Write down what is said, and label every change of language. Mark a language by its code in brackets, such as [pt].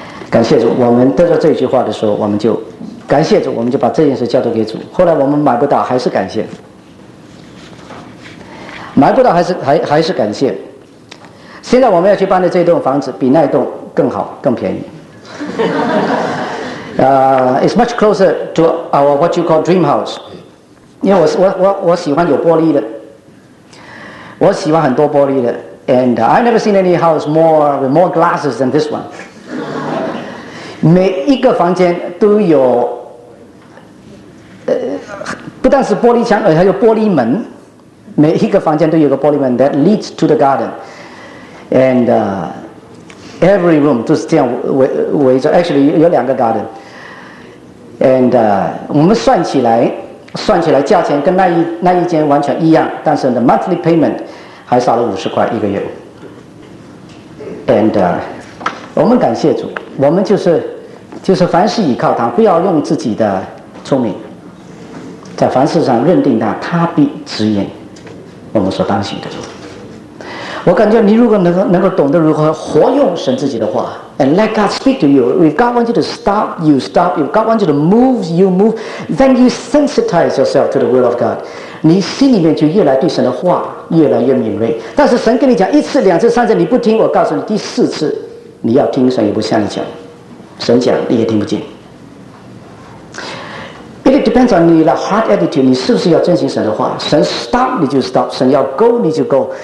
[zh] 感谢主，我们得到这句话的时候，我们就感谢主，我们就把这件事交托给主。后来我们买不到，还是感谢，买不到还是感谢。现在我们要去搬的这栋房子比那栋更好更便宜。 [en] It's much closer to our what you call dream house. [zh] 因为我喜欢有玻璃的，我喜欢很多玻璃的。 [en] And I never seen any house more with more glasses than this one. [zh] 每一个房间都有，不但是玻璃墙，还有玻璃门。每一个房间都有个玻璃门 [en] that leads to the garden. And every room [zh] 都是这样围着。 Actually, 有两个 garden. And 我们算起来价钱跟那一间完全一样，但是 [en] the monthly payment [zh] 还少了50块一个月。 And 我们感谢主，我们就是凡事倚靠他，不要用自己的聪明，在凡事上认定他必指引我们所当行的路。我感觉你如果能够懂得如何活用神自己的话 ， [en] and let God speak to you. If God wants you to stop, you stop. If God wants you to move, you move. Then you sensitize yourself to the will of God. [zh] 你心里面就越来对神的话越来越敏锐。但是神跟你讲一次、两次、三次你不听，我告诉你第四次你要听，神也不向你讲，神讲你也听不进。 [en] It depends on your heart attitude. [zh] 你是不是要遵循神的话？神 stop 你就 stop， 神要 go 你就 go。